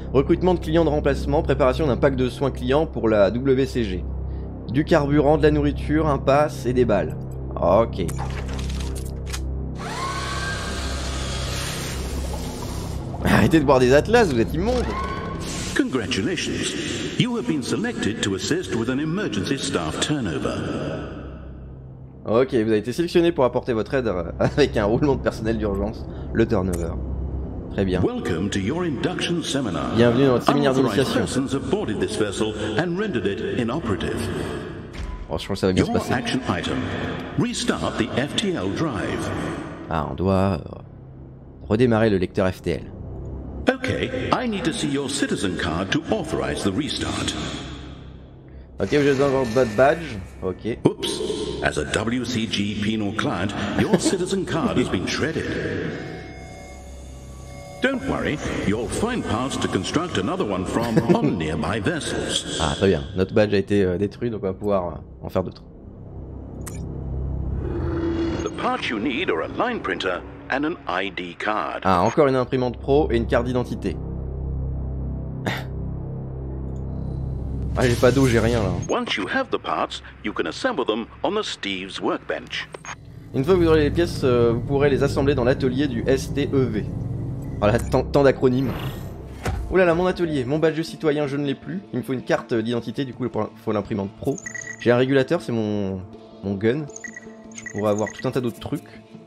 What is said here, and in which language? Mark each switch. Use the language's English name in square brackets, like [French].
[French] Recrutement de clients de remplacement, préparation d'un pack de soins clients pour la WCG. Du carburant, de la nourriture, un pass et des balles. Ok. Arrêtez de boire des atlas, vous êtes immondes. [English] Congratulations. You have been selected to assist with an emergency staff turnover. [French] Ok, vous avez été sélectionné pour apporter votre aide avec un roulement de personnel d'urgence, le turnover. Très bien. [English] Welcome to your induction seminar. [French] Bienvenue dans votre séminaire d'initiation. [English] Persons have boarded this vessel and rendered it inoperative. [French] Oh, je pense que ça va bien se passer. [English] Your action item. Restart the FTL drive. [French] Ah, on doit redémarrer le lecteur FTL. [English] Ok, I need to see your citizen card to authorize the restart. [French] Ok, j'ai besoin de votre badge. Ok. [English] Oups, as a WCG penal client, your citizen card has been shredded. Don't worry, you'll find parts to construct another one from on nearby vessels. [French] Ah, très bien. Notre badge a été détruit, donc on va pouvoir en faire d'autres. [English] The parts you need are a line printer. And an ID card. [French] Ah, encore une imprimante pro et une carte d'identité. Ah, j'ai pas d'eau, j'ai rien là. [English] Once you have the parts, you can assemble them on the Steve's workbench. [French] Une fois que vous aurez les pièces, vous pourrez les assembler dans l'atelier du STEV. Voilà, tant d'acronymes. Oulala, mon atelier, mon badge de citoyen, je ne l'ai plus. Il me faut une carte d'identité, du coup, il faut l'imprimante pro. J'ai un régulateur, c'est mon gun. Je pourrais avoir tout un tas d'autres trucs.